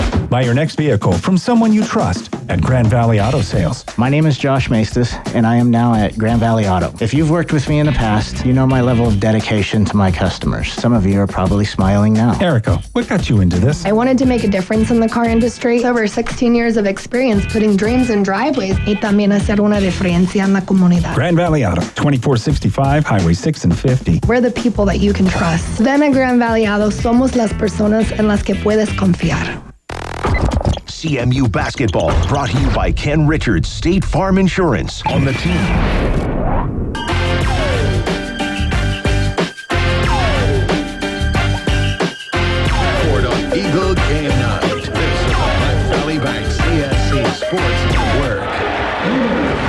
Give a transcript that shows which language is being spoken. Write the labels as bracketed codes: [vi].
[en] Buy your next vehicle from someone you trust at Grand Valley Auto Sales. My name is Josh Maestas, and I am now at Grand Valley Auto. If you've worked with me in the past, you know my level of dedication to my customers. Some of you are probably smiling now. Erica, what got you into this? I wanted to make a difference in the car industry. With over 16 years of experience putting dreams in driveways. [es] Y también hacer una diferencia en la comunidad. [en] Grand Valley Auto, 2465 Highway 6 and 50. We're the people that you can trust. [es] Ven a Grand Valley Auto, somos las personas en las que puedes confiar. [en] CMU Basketball, brought to you by Ken Richards, State Farm Insurance, on the team. Court on Eagle Game Night. This is the Platte Valley Bank CSC Sports Network.